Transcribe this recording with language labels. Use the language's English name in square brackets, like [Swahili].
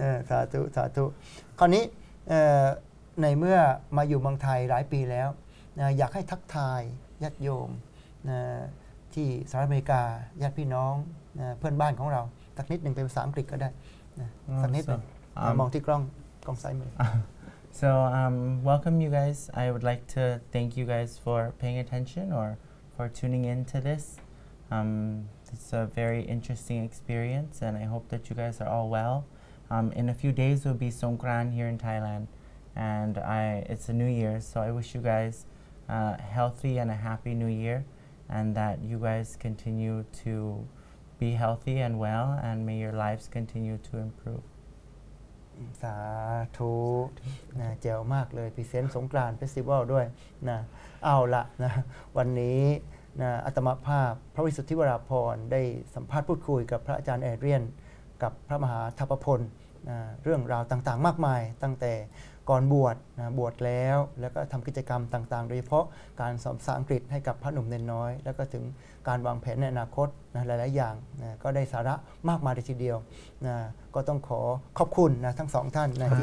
[Thai] สาธุสาธุคราวนี้ในเมื่อมาอยู่เมืองไทยหลายปีแล้วอยากให้ทักทายญาติโยมที่สหรัฐอเมริกาญาติพี่น้องเพื่อนบ้านของเราสักนิดหนึ่งเป็นภาษาอังกฤษก็ได้สักนิดหนึ่งมองที่กล้องซ้ายมือ [English] So welcome you guys. I would like to thank you guys for paying attention or for tuning in to this. It's a very interesting experience and I hope that you guys are all well. In a few days will be Songkran here in Thailand. And it's a new year, so I wish you guys a healthy and a happy new year. And that you guys continue to be healthy and well, and may your lives continue to improve. [Thai] สาธุนะเจ๋วมากเลยพรีเซนต์สงกรานต์เฟสติวัลด้วยนะเอาละนะวันนี้นะอาตมภาพพระวิสุทธิวราภรณ์ได้สัมภาษณ์พูดคุยกับพระอาจารย์แอเดรียน กับพระมหาทัพพลนะเรื่องราวต่างๆมากมายตั้งแต่ก่อนบวชนะบวชแล้วแล้วก็ทำกิจกรรมต่างๆโดยเฉพาะการสอนภาษาอังกฤษให้กับพระหนุ่มเนน้อยแล้วก็ถึงการวางแผนในอนาคตนะหลายๆอย่างนะก็ได้สาระมากมายทีเดียวนะก็ต้องขอขอบคุณนะทั้งสองท่านนะที